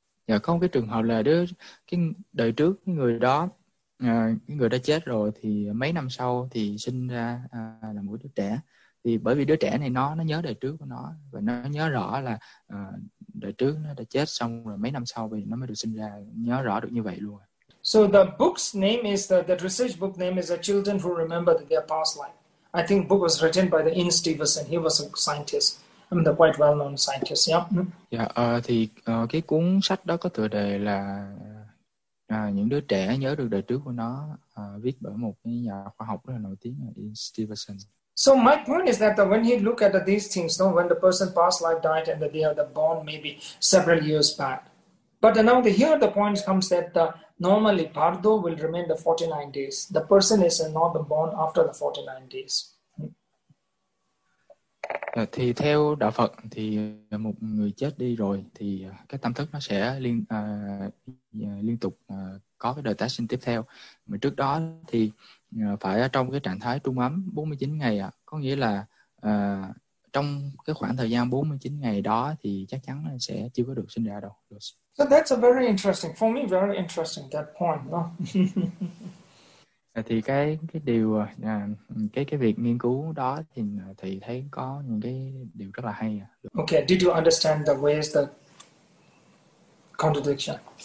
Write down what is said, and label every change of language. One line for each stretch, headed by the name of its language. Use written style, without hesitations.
Vietnamese: Dạ, có một cái trường hợp là đời trước người đó, người đã chết rồi thì mấy năm sau thì sinh ra là một đứa trẻ. Thì bởi vì đứa trẻ này nó nhớ đời trước của nó và nó nhớ rõ là đời trước nó đã chết xong rồi mấy năm sau thì nó mới được sinh ra, nhớ rõ được như vậy luôn.
English: So the book's name is the research book name is The Children Who Remember Their Past Life. I think book was written by the Ian Stevenson. He was a scientist. I mean, the quite well-known scientist.
Vietnamese: Dạ, thì cái cuốn sách đó có tựa đề là Những đứa trẻ nhớ được đời trước của nó, viết bởi một cái nhà khoa học rất là nổi tiếng là Ian Stevenson.
English: So my point is that when he look at these things, you know, when the person past life died and they are the born maybe several years back. But now here the point comes that normally Bardo will remain the 49 days. The person is not the born after the 49 days.
Vietnamese: Thì theo đạo Phật thì một người chết đi rồi thì cái tâm thức nó sẽ liên tục có cái đời tái sinh tiếp theo. Mà trước đó thì phải ở trong cái trạng thái trung ấm 49 ngày ạ. Có nghĩa là trong cái khoảng thời gian 49 ngày đó thì chắc chắn là sẽ chưa có được sinh ra đâu.
English: So that's a very interesting, for me, very interesting that point.
Vietnamese: Thì cái việc nghiên cứu đó thì thầy thấy có những cái điều rất là hay.
English: Okay, did you understand the ways the contradiction?